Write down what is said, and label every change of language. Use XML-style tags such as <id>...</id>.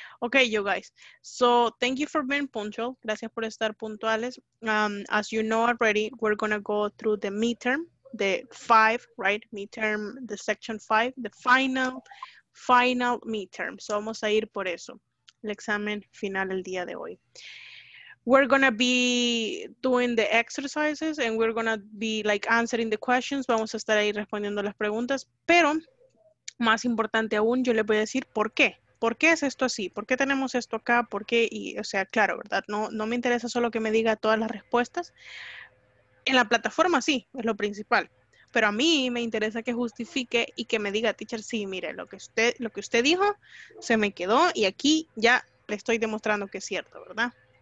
<en>Okay, you guys, so thank you for being punctual.</en> <es>Gracias por estar puntuales.</es> <en>As you know already, we're gonna go through the midterm, the five, right? Midterm, the section five, the final midterm.</en> <es>So vamos a ir por eso, el examen final el día de hoy.</es> <en>We're going to be doing the exercises and we're going to be like answering the questions.</en> <es>Vamos a estar ahí respondiendo las preguntas, pero más importante aún, yo les voy a decir por qué. ¿Por qué es esto así? ¿Por qué tenemos esto acá? ¿Por qué? Y, o sea, claro, ¿verdad? No me interesa solo que me diga todas las respuestas. En la plataforma sí, es lo principal. Pero a mí me interesa que justifique y que me diga, teacher, sí, mire, lo que usted dijo se me quedó y aquí ya le estoy demostrando que es cierto, ¿verdad?</es>